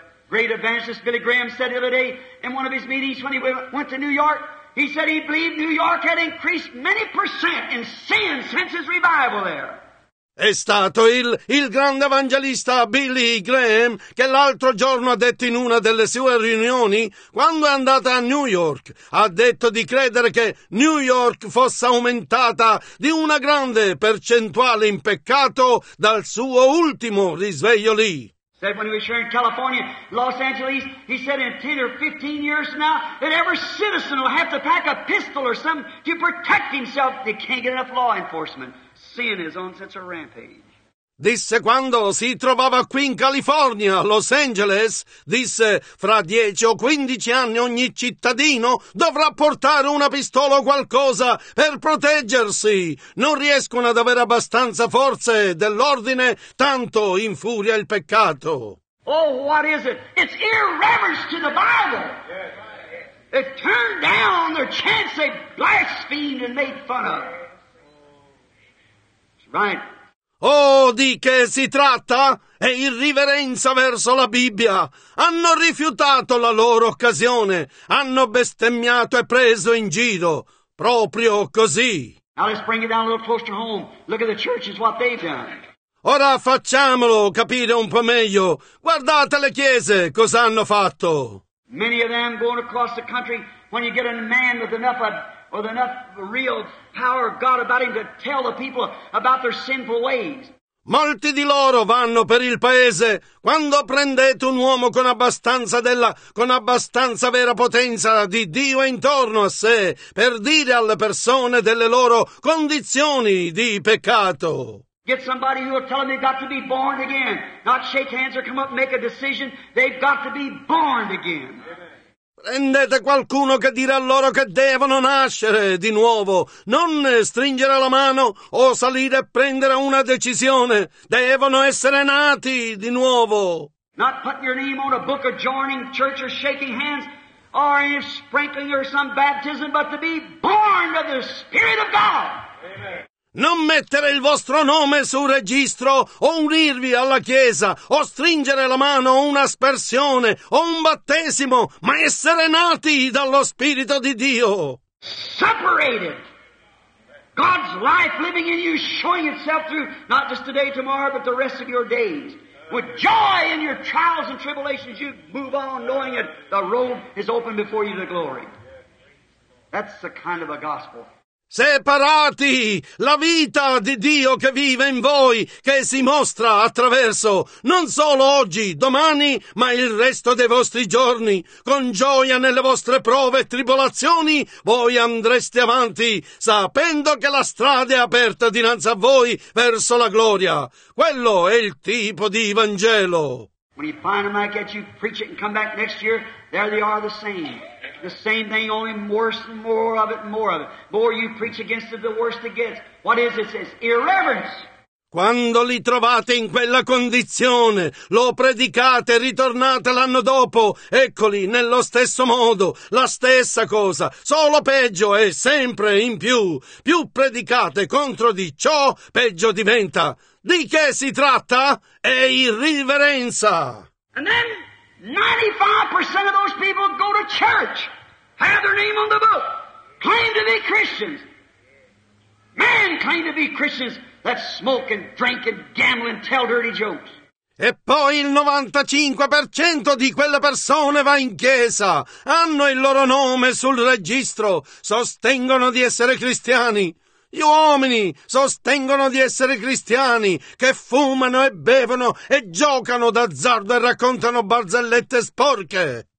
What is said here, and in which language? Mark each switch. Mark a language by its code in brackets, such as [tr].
[en] Great evangelist Billy Graham said the other day in one of his meetings when he went to New York, he said he believed New York had increased many percent in sin since his revival there. [it] È stato il grande evangelista Billy Graham che l'altro giorno ha detto in una delle sue riunioni, quando è andata a New York, ha detto di credere che New York fosse aumentata di una grande percentuale in peccato dal suo ultimo risveglio lì. [en] That when he was here in California, Los Angeles, he said in 10 or 15 years from now, that every citizen will have to pack a pistol or something to protect himself. They can't get enough law enforcement. Sin is on such a rampage. [it] Disse quando si trovava qui in California, Los Angeles, disse fra 10 o 15 anni ogni cittadino dovrà portare una pistola o qualcosa per proteggersi. Non riescono ad avere abbastanza forze dell'ordine, tanto infuria il peccato. [en] Oh, what is it? It's irreverence to the Bible. It turned down their chance they blasphemed and made fun of. Right. [it] Oh, di che si tratta? È irriverenza verso la Bibbia. Hanno rifiutato la loro occasione. Hanno bestemmiato e preso in giro. Proprio così. [en] Now let's bring it down a little closer to home. Look at the churches, what they've done. [it] Ora facciamolo capire un po' meglio. Guardate le chiese, cosa hanno fatto. [en] Many of them going across the country when you get a man with enough real power of God about him to tell the people about their sinful ways. [it] Molti di loro vanno per il paese quando prendete un uomo con abbastanza vera potenza di Dio intorno a sé per dire alle persone delle loro condizioni di peccato. [en] Get somebody who will tell them they've got to be born again. Not shake hands or come up and make a decision. They've got to be born again. [it] Prendete qualcuno che dirà loro che devono nascere di nuovo, non stringere la mano o salire e prendere una decisione. Devono essere nati di nuovo. [en] Not putting your name on a book of joining church or shaking hands or in sprinkling or some baptism, but to be born of the Spirit of God. Amen. [it] Non mettere il vostro nome sul registro o unirvi alla Chiesa o stringere la mano o un'aspersione o un battesimo, ma essere nati dallo Spirito di Dio. [en] Separated. God's life living in you, showing itself through not just today, tomorrow, but the rest of your days. With joy in your trials and tribulations, you move on knowing that the road is open before you to glory. That's the kind of a gospel. [it] separati, la vita di Dio che vive in voi, che si mostra attraverso, non solo oggi, domani, ma il resto dei vostri giorni. Con gioia nelle vostre prove e tribolazioni, voi andreste avanti, sapendo che la strada è aperta dinanzi a voi verso la gloria. Quello è il tipo di Vangelo. [en] When you find them, I get you, preach it and come back next year, there they are, the same. The same thing, only worse and more of it and more of it. The more you preach against it, the worse it gets. What is it? It's irreverence. [it] Quando li trovate in quella condizione, lo predicate, ritornate l'anno dopo, eccoli nello stesso modo, la stessa cosa, solo peggio e sempre in più. Più predicate contro di ciò, peggio diventa. Di che si tratta? È irriverenza. [en] And then 95% of those people go to church, have their name on the book, claim to be Christians. Men claim to be Christians. That smoke and drink and gamble and tell dirty jokes. [it] E poi il 95% di quelle persone va in chiesa, hanno il loro nome sul registro, sostengono di essere cristiani. Gli uomini sostengono di essere cristiani, che fumano e bevono e giocano d'azzardo e raccontano barzellette sporche.